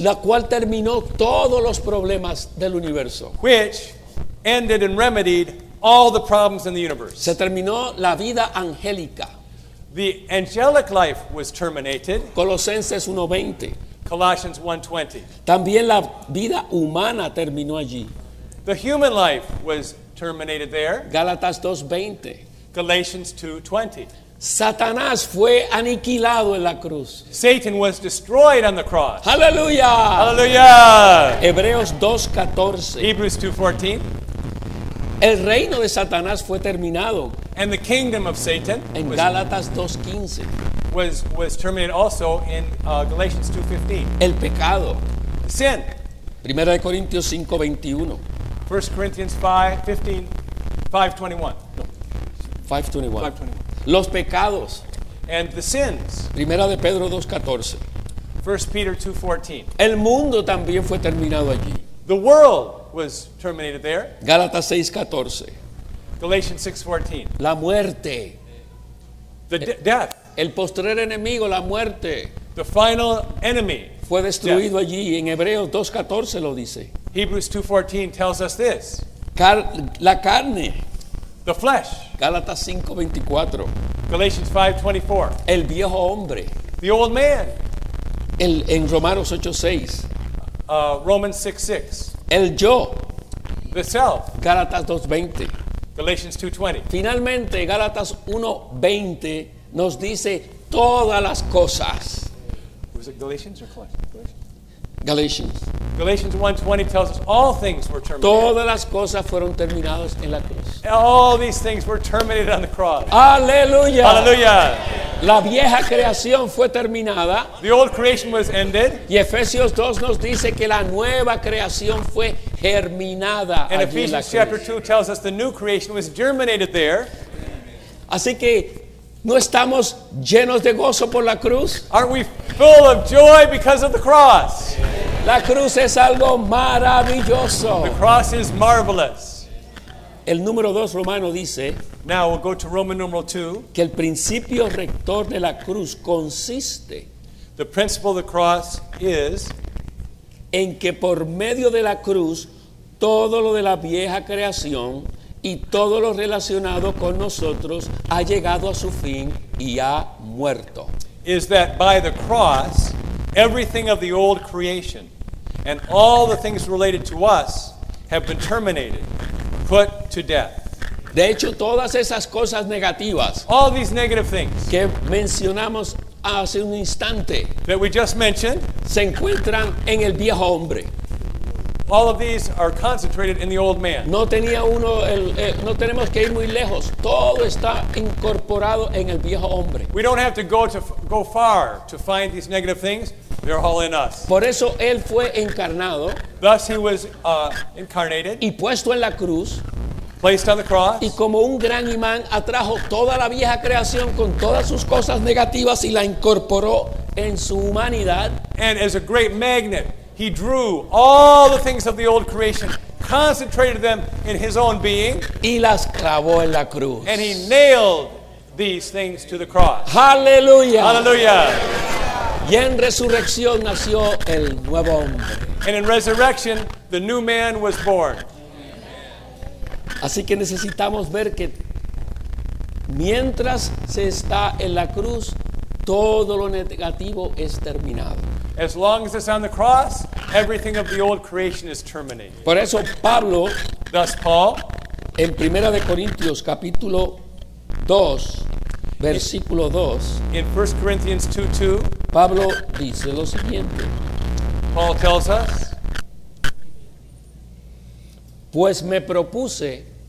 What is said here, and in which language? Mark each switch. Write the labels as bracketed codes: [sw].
[es] La cual terminó todos los problemas del universo. [en] Which ended and remedied all the problems in the universe. [es] Se terminó la vida angélica. [en] The angelic life was terminated. [es] Colosenses 1:20. [en] Colossians 1:20. [es] También la vida humana terminó allí. [en] The human life was terminated there. [es] Gálatas 2:20. [en] Galatians 2:20. [es] Satanás fue aniquilado en la cruz. [en] Satan was destroyed on the cross. [es] Hallelujah. [en] Hallelujah. [es] Hebreos 2:14. [en] Hebrews 2:14. [es] El reino de Satanás fue terminado. [en] And the kingdom of Satan [es] en Gálatas 2:15. [en] Was terminated also in Galatians 2:15. [es] El pecado. [en] Sin. [es] Primera de Corintios 5:21. [en] 1 Corinthians 5:15. 5:21. [es] No. 5:21. Los pecados. [en] And the sins. [es] Primera de Pedro 2:14. [en] 1 Peter 2:14. [es] El mundo también fue terminado allí. [en] The world was terminated there. [es] Gálatas 6:14. [en] Galatians 6:14. [es] La muerte. [en] The death. [es] El postrer enemigo, la muerte, [en] the final enemy, [es] fue destruido [en] death. [es] Allí. En Hebreos 2:14 lo dice. [en] Hebrews 2:14 tells us this. [es] La carne, [en] the flesh. [es] Gálatas 5:24. [en] Galatians 5:24. [es] El viejo hombre, [en] the old man. [es] En Romanos 8:6. [en] Romans 6:6. [es] El yo, [en] the self. [es] Gálatas 2:20. [en] Galatians 2:20. [es] Finalmente, Gálatas 1:20. Nos dice todas las cosas. [en] Was it Galatians or Colossians? Galatians. Galatians 1:20 tells us all things were terminated. [es] Todas las cosas fueron terminadas en la cruz. [en] All these things were terminated on the cross. [es] Aleluya. Aleluya. La vieja creación fue terminada. [en] The old creation was ended. [es] Y Efesios 2 nos dice que la nueva creación fue germinada allí en la cruz. [en] And Ephesians chapter 2 tells us the new creation was germinated there. [es] Así que ¿no estamos llenos de gozo por la cruz? [en] Aren't we full of joy because of the cross? [es] La cruz es algo maravilloso. [en] The cross is marvelous. [es] El número 2 romano dice, [en] now we'll go to Roman numeral 2, [es] que el principio rector de la cruz consiste, [en] the principle of the cross is, [es] en que por medio de la cruz todo lo de la vieja creación y todo lo relacionado con nosotros ha llegado a su fin y ha muerto. [en] Is that by the cross, everything of the old creation and all the things related to us have been terminated, put to death. [es] De hecho, todas esas cosas negativas, [en] all these negative things [es] que mencionamos hace un instante, [en] that we just mentioned, [es] se encuentran en el viejo hombre. [en] All of these are concentrated in the old man. [es] No tenemos que ir muy lejos. Todo está incorporado en el viejo hombre. [en] We don't have to go far to find these negative things. They're all in us. [es] Por eso él fue encarnado. [en] Thus he was incarnated. [es] Y puesto en la cruz. [en] Placed on the cross. [es] Y como un gran imán atrajo toda la vieja creación con todas sus cosas negativas y la incorporó en su humanidad. [en] And as a great magnet, he drew all the things of the old creation, concentrated them in his own being, [es] y las clavó en la cruz. [en] And he nailed these things to the cross. [es] Hallelujah. [en] Hallelujah. [es] Y en resurrección nació el nuevo hombre. [en] And in resurrection, the new man was born. [es] Así que necesitamos ver que mientras se está en la cruz, todo lo negativo es terminado. [en] As long as it's on the cross, everything of the old creation is terminated. [es] Por eso Pablo, [en] thus Paul, [es] en 1 de Corintios capítulo 2, versículo 2, [en] in 1 Corinthians 2:2, [es] Pablo dice lo siguiente. [en] Paul tells us, [es] pues me propuse,